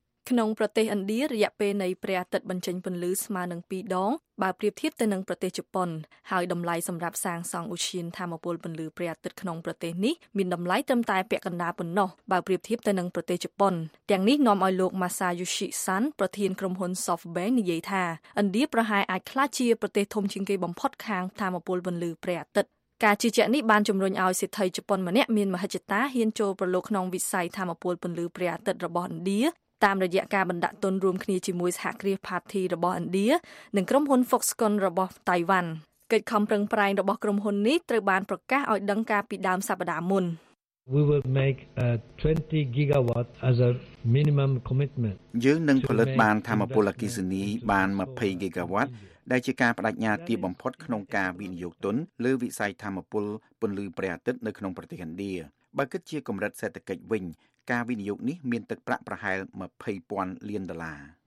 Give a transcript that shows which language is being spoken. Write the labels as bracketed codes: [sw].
[km] ក្នុងប្រទេសឥណ្ឌារយៈពេលនៃព្រះអាទិត្យបញ្ចេញពន្លឺស្មើនឹង2ដងបើប្រៀបធៀបទៅនឹងប្រទេសជប៉ុនហើយតម្លៃសម្រាប់សាងសង់ឧឈានធម្មពលពន្លឺព្រះអាទិត្យក្នុងប្រទេសនេះមានតម្លៃត្រឹមតែពាក់កណ្ដាលប៉ុណ្ណោះបើប្រៀបធៀបទៅនឹងប្រទេសជប៉ុនទាំងនេះនាំឲ្យលោក Masayoshi San ប្រធានក្រុមហ៊ុន SoftBank និយាយថាឥណ្ឌាប្រហែលអាចក្លាយជាប្រទេសធំជាងគេបំផុតខាងធម្មពលពន្លឺព្រះអាទិត្យការជឿជាក់នេះបានជំរុញឲ្យសេដ្ឋីជប៉ុនម្នាក់មានមហិច្ឆតាហ៊ានចូលប្រឡូកក្នុងវិស័យធម្មពលពន្លឺព្រះអាទិត្យរបស់ឥណ្ឌា តាមរយៈការបណ្ដាក់ទុនរួមគ្នាជាមួយសហគ្រាសផាធីរបស់ឥណ្ឌានិងក្រុមហ៊ុន Foxconn របស់តៃវ៉ាន់កិច្ចខំប្រឹងប្រែងរបស់ក្រុមហ៊ុននេះត្រូវបានប្រកាសឲ្យដឹងការពីដើមសប្ដាហ៍មុន [en] We will make a 20 gigawatt as a minimum commitment [km] យើងនឹងផលិតបានធម្មពលអគ្គិសនីបាន20 gigawatt ដែលជាការបដិញ្ញាទីបំផុតក្នុងការវិនិយោគទុនលើវិស័យធម្មពលពន្លឺព្រះអាទិត្យនៅក្នុងប្រទេសឥណ្ឌាបើគិតជាកម្រិតសេដ្ឋកិច្ចវិញការវិនិយោគនេះមានទឹកប្រាក់ប្រហែល 20,000 លានដុល្លារ